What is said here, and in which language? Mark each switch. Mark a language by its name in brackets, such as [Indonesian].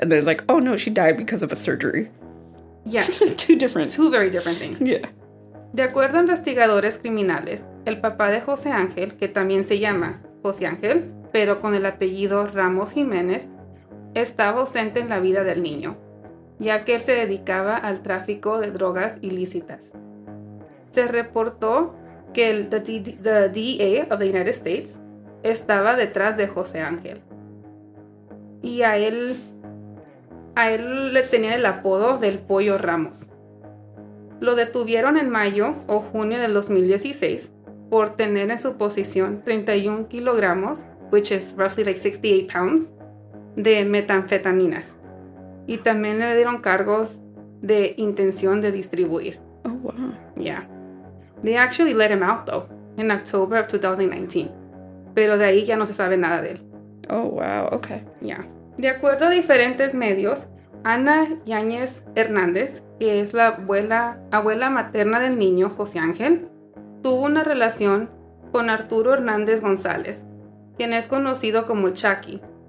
[English] And then it's like, oh, no, she died because of a surgery. Yeah. two very different things. Yeah. [Spanish] De acuerdo a investigadores criminales, el papá de José Ángel, que también se llama José Ángel, pero con el apellido Ramos Jiménez, estaba ausente en la vida del niño, ya que él se dedicaba al tráfico de drogas ilícitas. se reportó que [English] the DEA of the United States [Spanish] estaba detrás de José Ángel. Y a él le tenía el apodo del Pollo Ramos. Lo detuvieron en mayo o junio del 2016 por tener en su posición 31 kilogramos, [English] which is roughly like 68 pounds, [Spanish] de metanfetaminas. Y también le dieron cargos de intención de distribuir. [English] Oh, wow. Yeah. They actually let him out, though, in October of 2019. [Spanish] Pero de ahí ya no se sabe nada de él. [English] Oh, wow. Okay. Yeah. [Spanish] De acuerdo a diferentes medios, Ana Yáñez Hernández, que es la abuela materna del niño José Ángel, tuvo una relación con Arturo Hernández González, quien es conocido como Chucky.